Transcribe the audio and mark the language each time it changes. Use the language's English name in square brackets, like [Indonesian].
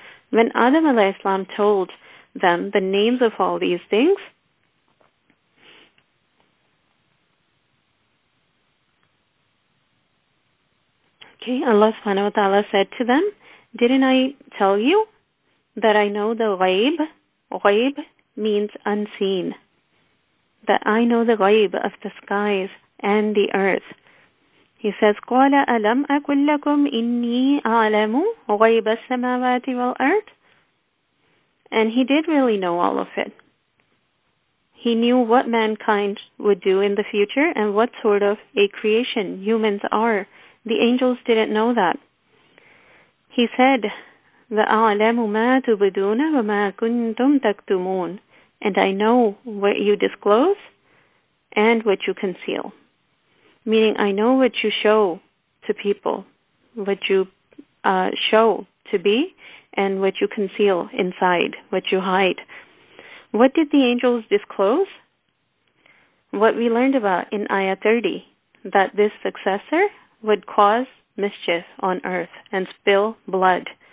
[English] When Adam alayhi salam told them the names of all these things, okay, Allah subhanahu wa ta'ala said to them, didn't I tell you that I know the ghaib? Ghaib means unseen. That I know the ghaib of the skies and the earth. He says, [Arabic] قَالَ أَلَمْ أَكُلْ لَكُمْ إِنِّي أَعْلَمُ غَيْبَ السَّمَاوَاتِ وَالْأَرْضِ. [English] And he did really know all of it. He knew what mankind would do in the future and what sort of a creation humans are. The angels didn't know that. He said, [Arabic] وَأَعْلَمُ مَا تُبْدُونَ وَمَا كُنْتُمْ تَكْتُمُونَ. [English] And I know what you disclose and what you conceal. Meaning, I know what you show to people, what you show to be, and what you conceal inside, what you hide. What did the angels disclose? What we learned about in Ayah 30, that this successor would cause mischief on earth and spill blood.